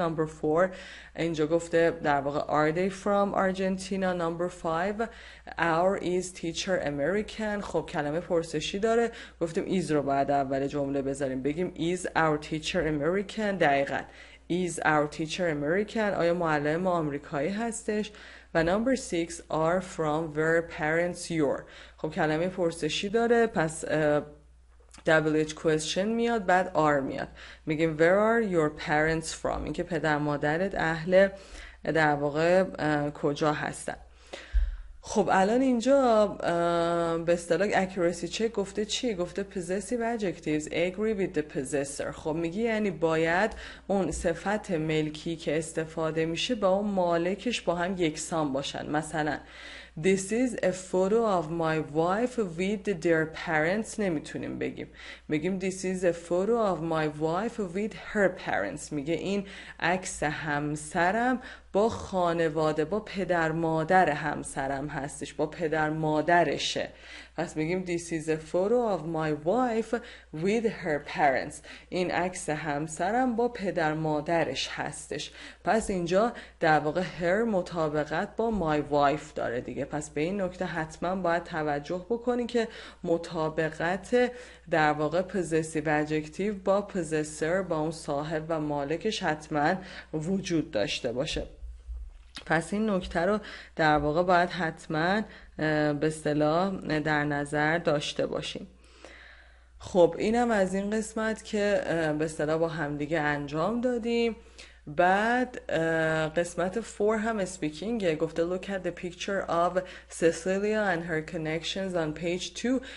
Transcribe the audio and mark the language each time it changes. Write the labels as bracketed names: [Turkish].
[English] Number four [Persian] اینجا گفته در واقع [English] are they from Argentina. Number five our is teacher American. [Persian] خب کلمه پرسشی داره، گفتیم is رو باید اول جمله بذاریم، بگیم [English] is our teacher American. [Persian] دقیقا [English] is our teacher American، [Persian] آیا معلم ما آمریکایی هستش. [English] و number six are from where parents your. [Persian] خب کلمه پرسشی داره، پس WH question میاد، بعد are میاد، میگیم [English] where are your parents from، [Persian] این که پدر مادرت اهل در واقع کجا هستن. خب الان اینجا به اصطلاح accuracy check گفته چی؟ گفته [English] possessive adjectives agree with the possessor. [Persian] خب میگی یعنی باید اون صفت ملکی که استفاده میشه با اون مالکش با هم یکسان باشن. [English] مثلا This is a photo of my wife with their parents. [Persian] نمیتونیم بگیم. [English] میگیم This is a photo of my wife with her parents. [Persian] میگه این عکس همسرم با خانواده، با پدر مادر همسرم هستش، با پدر مادرشه. پس میگیم [English] This is a photo of my wife with her parents. [Persian] این عکس همسرم با پدر مادرش هستش. پس اینجا در واقع her مطابقت با my wife داره دیگه. پس به این نکته حتما باید توجه بکنی که مطابقت در واقع possessive adjective با possessor، با اون صاحب و مالکش حتما وجود داشته باشه. پس این نکته رو در واقع باید حتما به اصطلاح در نظر داشته باشیم. خب اینم از این قسمت که به اصطلاح با همدیگه انجام دادیم. بعد قسمت 4 هم [English] speaking گفته look at the picture of Cecilia and her connections on page 2.